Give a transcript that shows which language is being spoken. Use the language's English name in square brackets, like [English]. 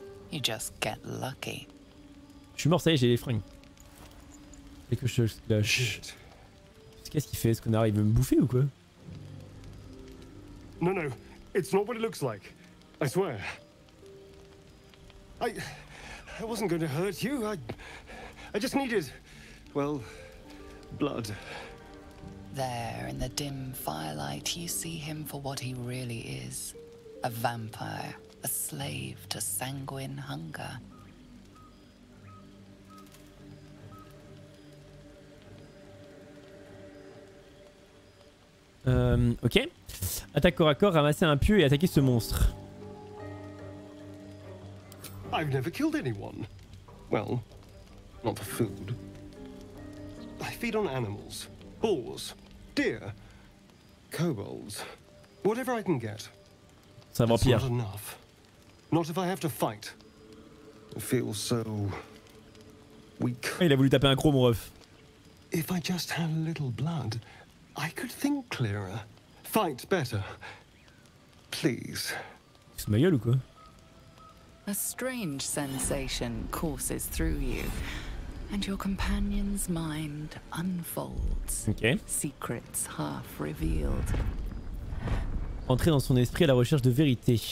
[French] Je suis mort, ça y est, j'ai les fringues. Quelque chose là. Chut. Qu'est-ce qu'il fait? Est-ce qu'on arrive à me bouffer ou quoi? Non, non, [English] it's not what it looks like. I swear. I wasn't going to hurt you. I just needed, well, blood. There, in the dim firelight, you see him for what he really is: a vampire, a slave to sanguine hunger. Ok. [French] Attaque corps à corps, ramasser un pieu et attaquer ce monstre. [English] I've never killed anyone. Well, not for food. I feed on animals, bulls, deer, kobolds, whatever I can get. [French] C'est un vampire. [English] That's not enough. Not if I have to fight. It feels so weak. [French] Il a voulu taper un gros mon ref. [English] If I just had a little blood, I could think clearer, fight better. Please. [French] C'est ma gueule ou quoi? [English] A strange sensation courses through you, and your companion's mind unfolds. Okay. Secrets half revealed. [French] Entrer dans son esprit à la recherche de vérité.